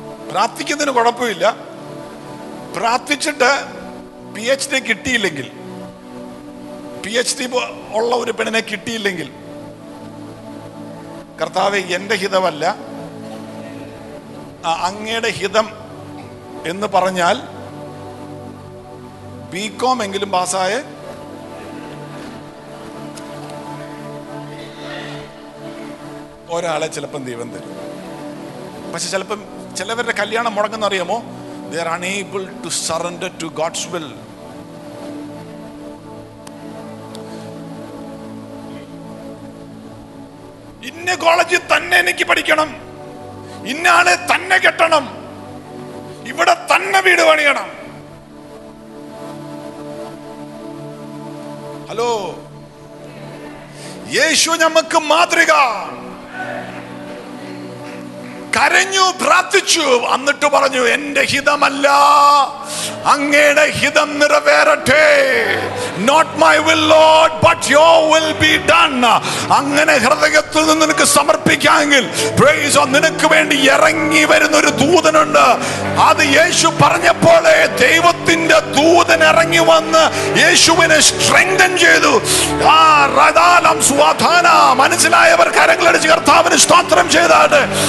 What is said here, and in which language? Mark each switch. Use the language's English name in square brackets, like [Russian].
[Malayalam] പ്രാർത്ഥിക്കുന്നതിന് കുഴപ്പമില്ല, പ്രാർത്ഥിച്ചിട്ട് PhD കിട്ടിയില്ലെങ്കിൽ, PhD ഉള്ള ഒരു പെണ്ണിനെ കിട്ടിയില്ലെങ്കിൽ, കർത്താവേ എന്റെ ഹിതമല്ല അങ്ങയുടെ ഹിതം എന്ന് പറഞ്ഞാൽ BCom എങ്കിലും പാസ്സായ ഒരാളെ ചിലപ്പം ദൈവം തരും. പക്ഷെ ചിലപ്പം ചിലവരുടെ കല്യാണം മുടങ്ങുന്നറിയാമോ? [English] They are unable to surrender to God's will. [Malayalam] ഇന്ന കോളേജിൽ തന്നെ എനിക്ക് പഠിക്കണം, ഇന്നാളെ തന്നെ കെട്ടണം, ഇവിടെ തന്നെ വീട് പണിയണം. ഹലോ, യേശു നമുക്ക് മാതൃക. കരഞ്ഞു പ്രാർത്ഥിച്ചു, എന്നിട്ട് പറഞ്ഞു എന്റെ ഹിതമല്ല അങ്ങയുടെ ഹിതം നിറവേറട്ടെ. [English] Not my will, Lord, but your will be done. [Malayalam] അങ്ങനെ ഹൃദയത്തിൽ നിന്ന് നിനക്ക് സമർപ്പിക്കാമെങ്കിൽ, പ്രൈസ് ഓൺ, നിനക്ക് വേണ്ടി ഇറങ്ങി വരുന്ന ഒരു ദൂതനുണ്ട്. അത് യേശു പറഞ്ഞപ്പോഴേ ദൈവത്തിന്റെ ദൂതൻ ഇറങ്ങി വന്ന് യേശുവിനെ സ്ട്രെങ്തൻ ചെയ്തു. ആ റദാലം സ്വാധാന മനസ്സിലായവർ കരങ്ങളടിച്ച് കർത്താവിന് സ്തോത്രം ചെയ്താട്ടെ.